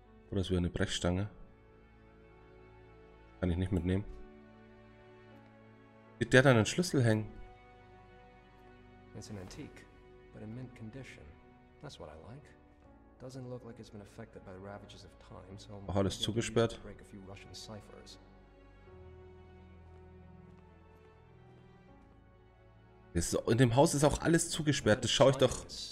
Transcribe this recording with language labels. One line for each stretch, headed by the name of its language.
German: Oder ist wieder eine Brechstange? Kann ich nicht mitnehmen. Sieht der da einen Schlüssel hängen? Es ist ein Antique, aber in
English: mint condition.
German: Das ist, was ich mag.
English: Doesn't look like it's been affected by the ravages of time, so
German: oh, alles zugesperrt.
English: Break a few Russian ciphers.
German: In dem Haus ist auch alles zugesperrt. Das schaue ich doch.